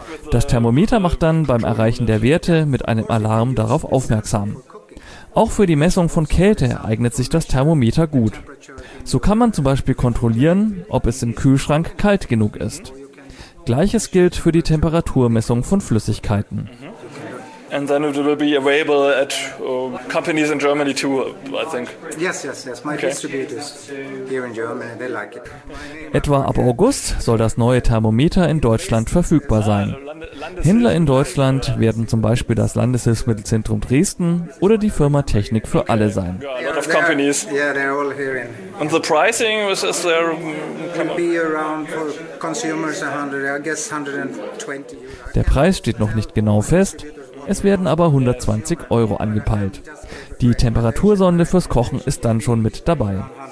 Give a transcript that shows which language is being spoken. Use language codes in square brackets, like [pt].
[de] Das Thermometer macht dann beim Erreichen der Werte mit einem Alarm darauf aufmerksam. Auch für die Messung von Kälte eignet sich das Thermometer gut. So kann man zum Beispiel kontrollieren, ob es im Kühlschrank kalt genug ist. Gleiches gilt für die Temperaturmessung von Flüssigkeiten. [en] And then it will be available at companies in Germany too, I think. Yes, yes, yes. My distributors here in Germany, they like it. [de] Etwa ab August soll das neue Thermometer in Deutschland verfügbar sein. Händler in Deutschland werden zum Beispiel das Landeshilfsmittelzentrum Dresden oder die Firma Technik für alle sein. [en] Yeah, a lot of companies. Yeah, they're all here in. And the pricing is there? Will be around for consumers 100, I guess 120. [de] Der Preis steht noch nicht genau fest. Es werden aber 120 Euro angepeilt. Die Temperatursonde fürs Kochen ist dann schon mit dabei.